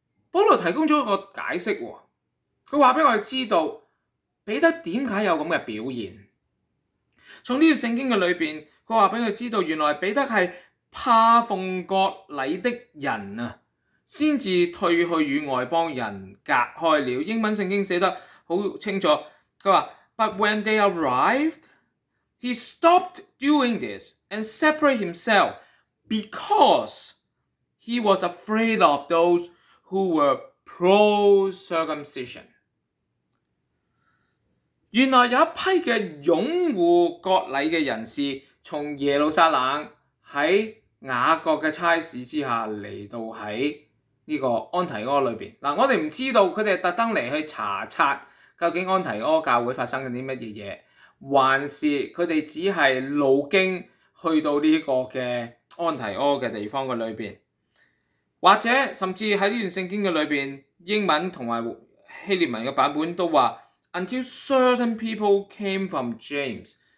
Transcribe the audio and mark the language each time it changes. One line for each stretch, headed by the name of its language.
Chinese: 保罗提供了一个解释，他告诉我们知道彼得为什么有这样的表现。从这段圣经的里面，他告诉他知道，原来彼得是怕奉割礼的人才退去与外邦人隔开了。英文圣经写得很清楚，他说
English: But when they arrived, he stopped doing this and separate himself because he was afraid of those who were pro-circumcision.
Chinese: 原来有一批的拥护割礼的人士从耶路撒冷在雅各的差使之下来到在这个安提柯里面。我们不知道他们特登来去查察究竟安提柯教会发生了什么事，还是他们只是路经去到这个的安提柯的地方的里面，或者甚至在这段圣经的里面，英文和希列文的版本都说
English: Until certain people came from James.